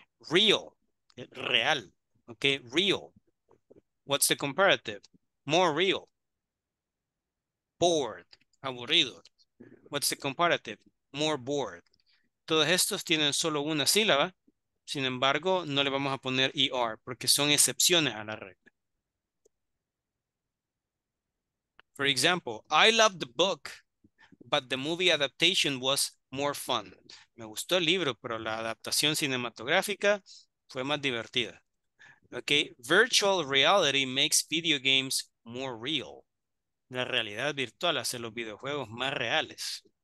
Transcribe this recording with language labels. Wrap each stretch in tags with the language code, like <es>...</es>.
<en>Real, real, ok, real. What's the comparative? More real. Bored, aburrido. What's the comparative? More bored.</en> <es>Todos estos tienen solo una sílaba. Sin embargo, no le vamos a poner ER porque son excepciones a la regla.</es> <en>For example, I love the book, but the movie adaptation was more fun.</en> <es>Me gustó el libro, pero la adaptación cinematográfica fue más divertida.</es> <en>Okay, virtual reality makes video games more real.</en> <es>La realidad virtual hace los videojuegos más reales.</es>